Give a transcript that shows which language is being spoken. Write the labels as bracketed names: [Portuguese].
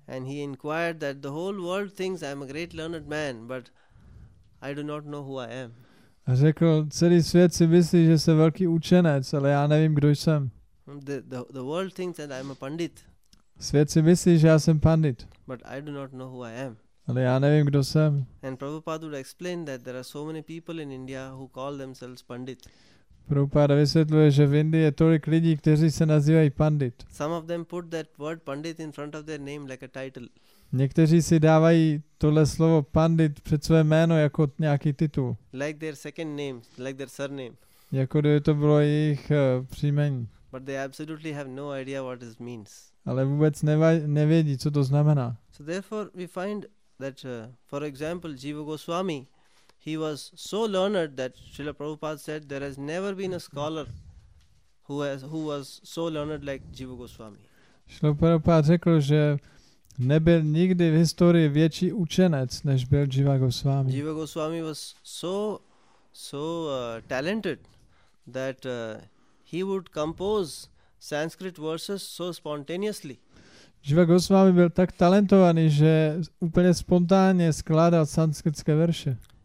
[English] And he inquired that the whole world thinks I am a great learned man, but I do not know who I am. [Czech] A řekl, celý svět si myslí, že jsem velký učenec, ale já nevím, kdo jsem. [English] The world thinks that I'm a pandit. [Czech] Svět si myslí, že já jsem pandit. [English] But I do not know who I am. [Czech] Ale já nevím, kdo jsem. [English] And Prabhupada would explain that there are so many people in India who call themselves pandit. [Czech] Prabhupada vysvětluje, že v Indii je tolik lidí, kteří se nazývají pandit. [English] Some of them put that word pandit in front of their name like a title. [Czech] Někteří si dávají tohle slovo pandit před své jméno jako nějaký titul. [English] Like their second name, like their surname. [Czech] Jako kdyby to bylo jejich příjmení. [English] But they absolutely have no idea what this means. [Czech] Ale vůbec nevědí, co to znamená. [English] So therefore we find that for example Jiva Goswami, he was so learned that Srila Prabhupada said there has never been a scholar who was so learned like Jiva Goswami. [Czech] Srila Prabhupada řekl, že nebyl nikdy v historii větší učenec než byl Jiva Goswami. [English] Jiva Goswami was so talented that he would compose Sanskrit verses so spontaneously. [Czech] Jiva Goswami byl tak talentovaný, že úplně spontánně skládal sanskritské verše.